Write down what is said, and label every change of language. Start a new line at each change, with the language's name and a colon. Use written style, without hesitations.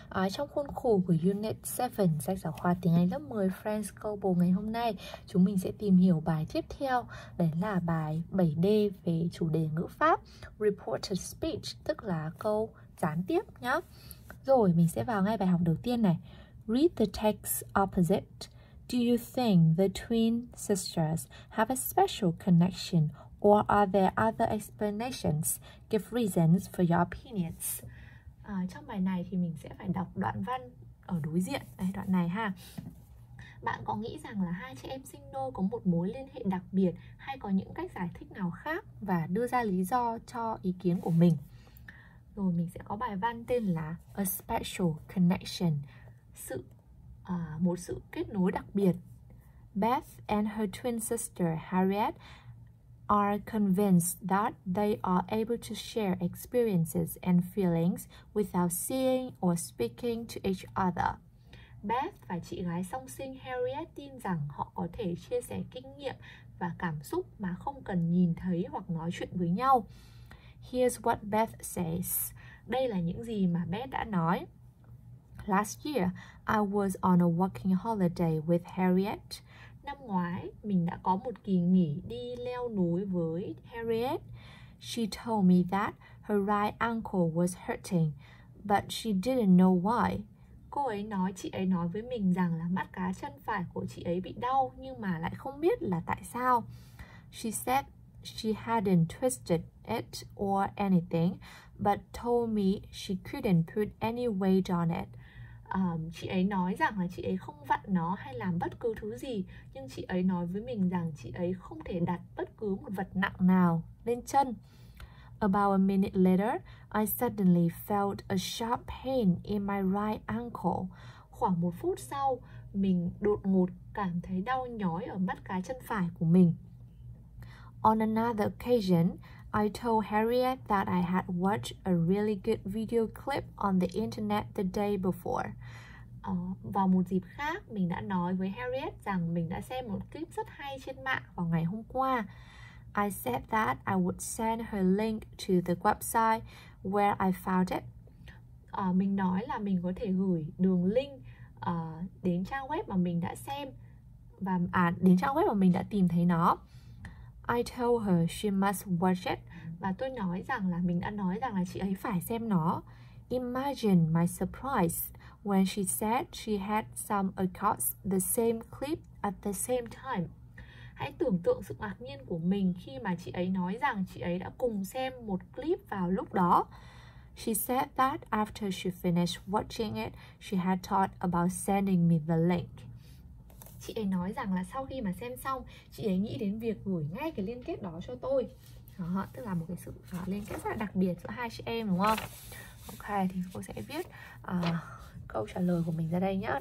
Vietnamese: Trong khuôn khổ của Unit 7, sách giáo khoa tiếng Anh lớp 10 French Global ngày hôm nay, chúng mình sẽ tìm hiểu bài tiếp theo, đấy là bài 7D về chủ đề ngữ pháp, Reported Speech, tức là câu gián tiếp nhé. Rồi, mình sẽ vào ngay bài học đầu tiên này.
English: Read the text opposite. Do you think the twin sisters have a special connection? Or are there other explanations? Give reasons for your opinions.
Vietnamese: Trong bài này thì mình sẽ phải đọc đoạn văn ở đối diện. Đây, đoạn này ha. Bạn có nghĩ rằng là hai chị em sinh đôi có một mối liên hệ đặc biệt hay có những cách giải thích nào khác và đưa ra lý do cho ý kiến của mình? Rồi mình sẽ có bài văn tên là A Special Connection. Một sự kết nối đặc biệt.
English: Beth and her twin sister Harriet are convinced that they are able to share experiences and feelings without seeing or speaking to each other.
Vietnamese: Beth và chị gái song sinh Harriet tin rằng họ có thể chia sẻ kinh nghiệm và cảm xúc mà không cần nhìn thấy hoặc nói chuyện với nhau.
English: Here's what Beth says.
Vietnamese: Đây là những gì mà Beth đã nói.
English: Last year, I was on a working holiday with Harriet.
Vietnamese: Năm ngoái, mình đã có một kỳ nghỉ đi leo núi với Harriet.
English: She told me that her right ankle was hurting, but she didn't know why.
Vietnamese: Chị ấy nói với mình rằng là mắt cá chân phải của chị ấy bị đau, nhưng mà lại không biết là tại sao.
English: She said she hadn't twisted it or anything, but told me she couldn't put any weight on it.
Vietnamese: Chị ấy nói rằng là chị ấy không vặn nó hay làm bất cứ thứ gì, nhưng chị ấy nói với mình rằng chị ấy không thể đặt bất cứ một vật nặng nào lên chân.
English: About a minute later, I suddenly felt a sharp pain in my right ankle.
Vietnamese: Khoảng một phút sau, mình đột ngột cảm thấy đau nhói ở mắt cá chân phải của mình.
English: On another occasion, I told Harriet that I had watched a really good video clip on the internet the day before.
Vietnamese: Vào một dịp khác, mình đã nói với Harriet rằng mình đã xem một clip rất hay trên mạng vào ngày hôm qua.
English: I said that I would send her link to the website where I found it.
Vietnamese: Mình nói là mình có thể gửi đường link đến trang web mà mình đã xem và đến trang web mà mình đã tìm thấy nó.
English: I told her she must watch it.
Vietnamese: Và tôi nói rằng là mình đã nói rằng là chị ấy phải xem nó.
English: Imagine my surprise when she said she had some across the same clip at the same time.
Vietnamese: Hãy tưởng tượng sự ngạc nhiên của mình khi mà chị ấy nói rằng chị ấy đã cùng xem một clip vào lúc đó.
English: She said that after she finished watching it, she had thought about sending me the link.
Vietnamese: Chị ấy nói rằng là sau khi mà xem xong, chị ấy nghĩ đến việc gửi ngay cái liên kết đó cho tôi. Đó, tức là một cái sự liên kết rất là đặc biệt giữa hai chị em đúng không? Ok, thì cô sẽ viết câu trả lời của mình ra đây nhá.